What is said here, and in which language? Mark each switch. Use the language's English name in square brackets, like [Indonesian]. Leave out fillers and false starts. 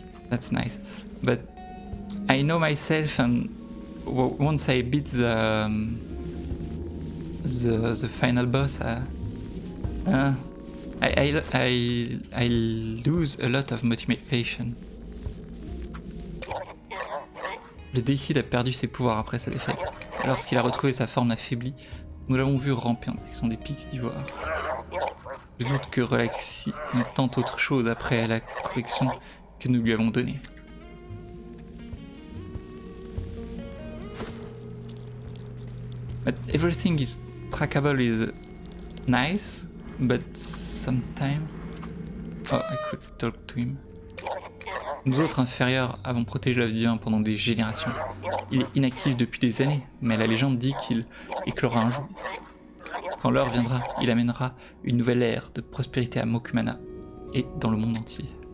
[English] That's nice. But I know myself, and once I beat the final boss, I lose a lot of motivation. [French] Le Déicide a perdu ses pouvoirs après sa défaite. Lorsqu'il a retrouvé sa forme affaiblie, nous l'avons vu rampant avec son des pics d'ivoire. Je doute que Relaxi ne tente autre chose après la correction que nous lui avons donnée. [English] But everything is trackable is nice, but sometime. Oh, I could talk to him. [French] Nous autres inférieurs avons protégé l'œuf divin pendant des générations. Il est inactif depuis des années, mais la légende dit qu'il éclora un jour. Quand l'heure viendra, il amènera une nouvelle ère de prospérité à Mokumana et dans le monde entier.